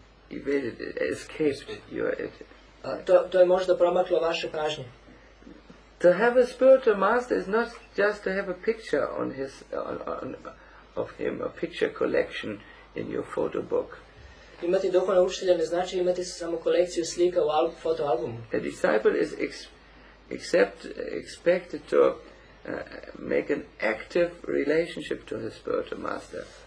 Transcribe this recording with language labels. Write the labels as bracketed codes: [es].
[en] Evaded, escaped your attention. [sr] To je možda promaklo vaše pažnje. [en] To have a spiritual master is not just to have a picture on his of him, a picture collection in your photo book. [sr] Imati duhovnog učitelja ne znači imati samo kolekciju slika u foto albumu. [en] A disciple is expected to make an active relationship to his spiritual master.